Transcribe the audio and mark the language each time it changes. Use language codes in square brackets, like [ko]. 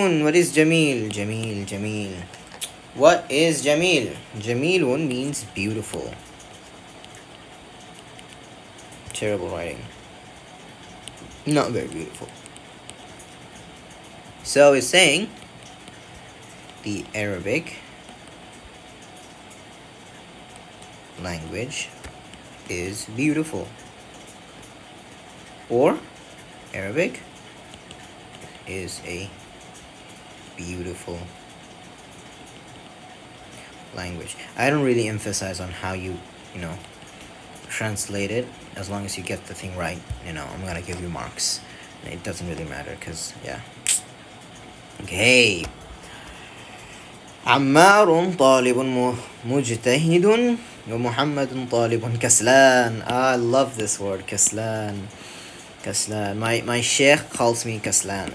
[en] What is [ar] جميل؟ جميل جميل. [en] What is جميل؟ جميل one means beautiful. Terrible writing. Not very beautiful. So it's saying the Arabic language is beautiful. Or Arabic is a beautiful language. I don't really emphasize on how you translate it. As long as you get the thing right, I'm gonna give you marks. It doesn't really matter, because, yeah. Okay. [ar] عمار طالب مجتهد ومحمد طالب كسلان. [en] Ah, I love this word, كسلان. [ar] كسلان. [en] My sheikh calls me كسلان.